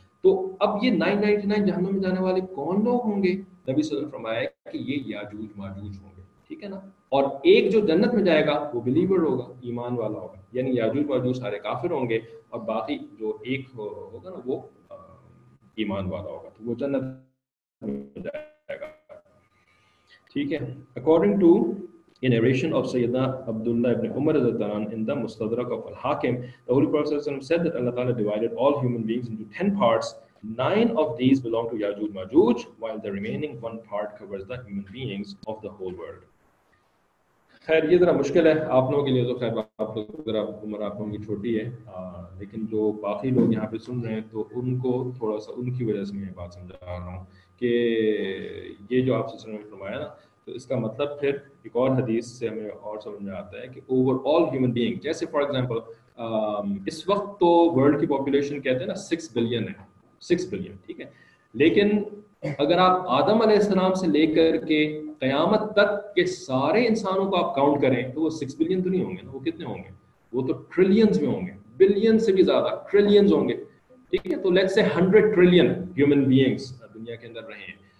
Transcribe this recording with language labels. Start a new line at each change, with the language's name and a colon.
Urdu: تو اب یہ 999 جہنم میں جانے والے کون لوگ ہوں گے, نبی صلی اللہ علیہ وسلم فرمایا کہ یہ یاجوج ماجوج ہوں گے, ٹھیک ہے نا, اور ایک جو جنت میں جائے گا وہ بلیور ہوگا, ایمان والا ہوگا, یعنی یاجوج ماجوج سارے کافر ہوں گے اور باقی جو ایک ہوگا نا وہ ایمان والا ہوگا, تو وہ جنت میں جائے گا, ٹھیک ہے.
English: According to in narration of Sayyidina Abdullah ibn Umar al-Dhan in the Mustadrak of Al-Hakim, the Holy Prophet said that Allah Ta'ala divided all human beings into 10 parts. 9 of these belong to Ya'juj Ma'juj, while the remaining one part covers the human beings of the whole world.
Urdu: خیر یہ ذرا مشکل ہے آپ لوگوں کے لیے, تو خیر آپ لوگ ذرا عمر آپ لوگوں کی چھوٹی ہے, لیکن جو باقی لوگ یہاں پہ سن رہے ہیں تو ان کو تھوڑا سا ان کی وجہ سے میں یہ بات سمجھا رہا ہوں کہ یہ جو آپ نے فرمایا نا تو اس کا مطلب پھر ایک اور حدیث سے ہمیں اور سمجھ میں آتا ہے کہ اوور آل ہیومن بینگ, جیسے فار ایگزامپل اس وقت تو ورلڈ کی پاپولیشن کہتے ہیں نا 6 billion ہے, 6 billion, ٹھیک ہے, لیکن اگر آپ آدم علیہ السلام سے لے کر کے قیامت تک کے سارے انسانوں کو آپ کاؤنٹ کریں تو وہ 6 billion تو نہیں ہوں گے نا, وہ کتنے ہوں گے, وہ تو ٹریلینز میں ہوں گے, بلین سے بھی زیادہ ٹریلینز ہوں گے, ٹھیک ہے, تو let's say 100 trillion human beings دنیا کے اندر رہے ہیں,